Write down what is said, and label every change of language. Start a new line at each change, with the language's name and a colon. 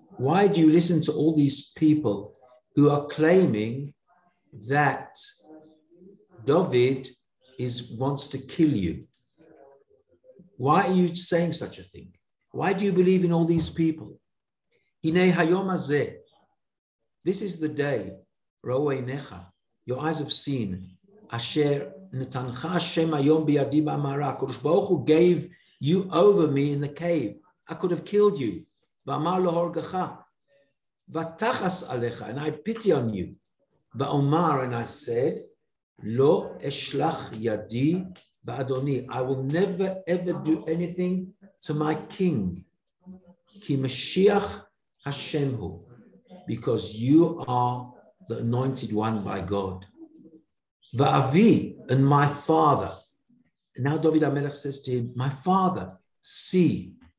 English: Why do you listen to all these people who are claiming that David wants to kill you? Why are you saying such a thing? Why do you believe in all these people?
Hebrew: Hinei hayom hazeh.
English: This is the day, ro'einecha, your eyes have seen, asher
Hebrew: נתנך השם היום בידי באמרה, הקדוש ברוך הוא
English: gave you over me in the cave. I could have killed you.
Hebrew: ואמר להורגך, ותחס עליך,
English: and I pity on you.
Hebrew: ואומר,
English: and I said,
Hebrew: לא אשלח ידי באדוני.
English: I will never ever do anything to my king.
Hebrew: כי משיח השם הוא.
English: Because you are the anointed one by God. Va'avi and my father. Now David HaMelech says to him, my father, see.